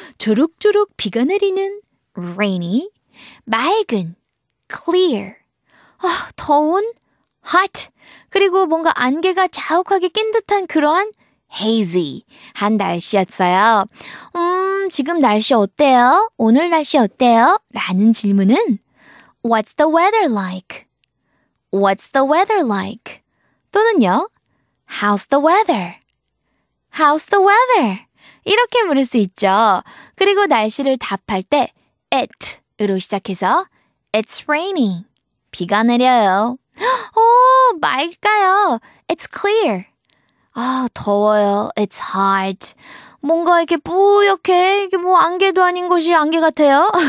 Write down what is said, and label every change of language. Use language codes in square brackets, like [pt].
[ko] 주룩주룩 비가 내리는 rainy, 맑은 clear, 아, 더운 hot, 그리고 뭔가 안개가 자욱하게 낀 듯한 그러한 hazy 한 날씨였어요. 지금 날씨 어때요? 오늘 날씨 어때요? 라는 질문은 [en] What's the weather like? What's the weather like? 또는요, How's the weather? How's the weather? [ko] 이렇게 물을 수 있죠. 그리고 날씨를 답할 때 It으로 시작해서 [en] It's raining. [ko] 비가 내려요. 오, 맑아요. [en] It's clear. [ko] 아, 더워요. [en] It's hot. [ko] 뭔가 이렇게 뿌옇게, 이게 뭐 안개도 아닌 것이 안개 같아요.